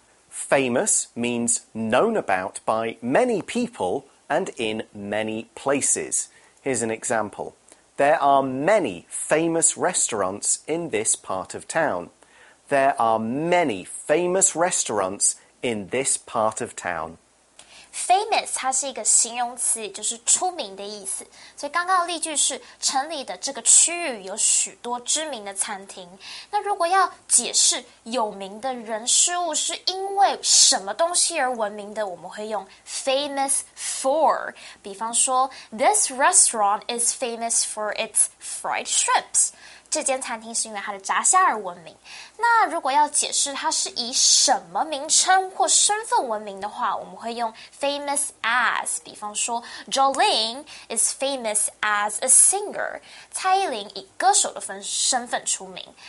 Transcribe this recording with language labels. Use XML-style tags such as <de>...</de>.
<en>Famous means known about by many people and in many places. Here's an example. There are many famous restaurants in this part of town. There are many famous restaurants in this part of town.</en> <zh>Famous, 它是一个形容词，就是出名的意思。所以刚刚的例句是，城里的这个区域有许多知名的餐厅。那如果要解释有名的人事物是因为什么东西而闻名的，我们会用 famous for。比方说</zh> <en>，This restaurant is famous for its fried shrimps.</en> <zh>这间餐厅是因为它的炸虾而闻名。那如果要解释它是以什么名称或身份闻名的话，我们会用 famous as。比方说</zh> <en>，Jolene is famous as a singer。</en> <zh>蔡依林以歌手的身份出名。</zh>